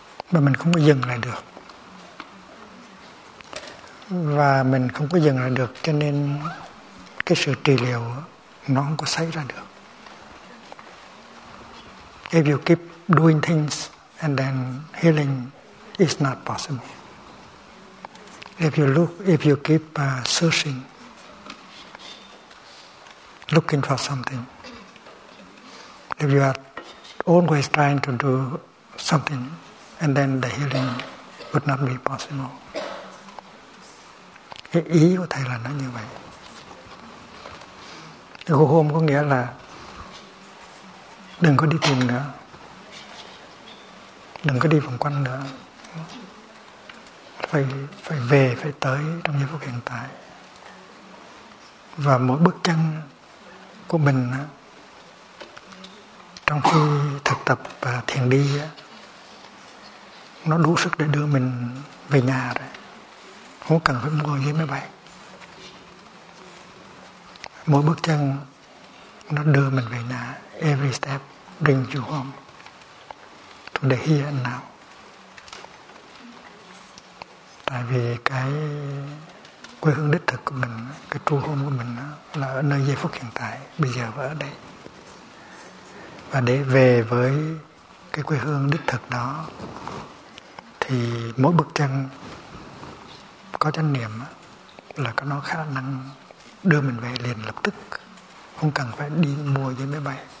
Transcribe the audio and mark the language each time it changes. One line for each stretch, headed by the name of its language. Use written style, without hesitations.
Vietnamese: Mà mình không có dừng lại được. Và mình không có dừng lại được cho nên cái sự trị liệu nó không có xảy ra được.
English: If you keep doing things and then healing is not possible. If you keep searching, looking for something, if you are always trying to do something, and then the healing would not be possible.
Vietnamese: Cái ý của Thầy là nó như vậy.
English: Go home
Vietnamese: có nghĩa là đừng có đi tìm nữa. Đừng có đi vòng quanh nữa. Phải về, phải tới trong giây phút hiện tại. Và mỗi bước chân của mình trong khi thực tập và thiền đi á, nó đủ sức để đưa mình về nhà rồi. Không cần phải mua vé máy bay. Mỗi bước chân nó đưa mình về nhà.
English: Every step brings you home to the here and now.
Vietnamese: Tại vì cái quê hương đích thực của mình, cái true home của mình là ở nơi giây phút hiện tại, bây giờ và ở đây. Và để về với cái quê hương đích thực đó thì mỗi bước chân có chánh niệm là có nó khả năng đưa mình về liền lập tức, không cần phải đi mua vé máy bay.